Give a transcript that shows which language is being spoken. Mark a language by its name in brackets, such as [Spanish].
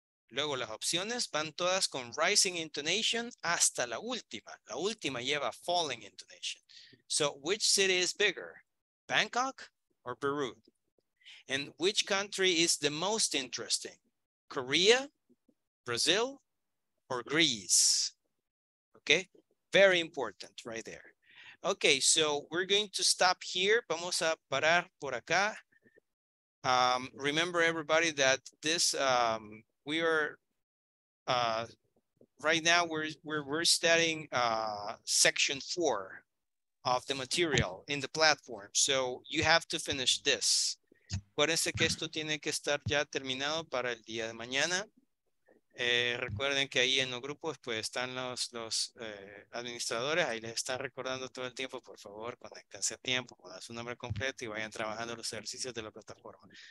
[Spanish] Luego las opciones van todas con rising intonation hasta la última. La última lleva falling intonation. [English] So, which city is bigger, Bangkok or Beirut? And which country is the most interesting, Korea, Brazil, or Greece. Okay, very important right there. Okay, so we're going to stop here. [Spanish] Vamos a parar por acá. [English] Remember everybody that this, we are, right now we're studying section 4 of the material in the platform. So you have to finish this. [Spanish] Acuérdense que esto tiene que estar ya terminado para el día de mañana. Recuerden que ahí en los grupos pues están los administradores, ahí les están recordando todo el tiempo, por favor, conéctense a tiempo, pongan su nombre completo y vayan trabajando los ejercicios de la plataforma.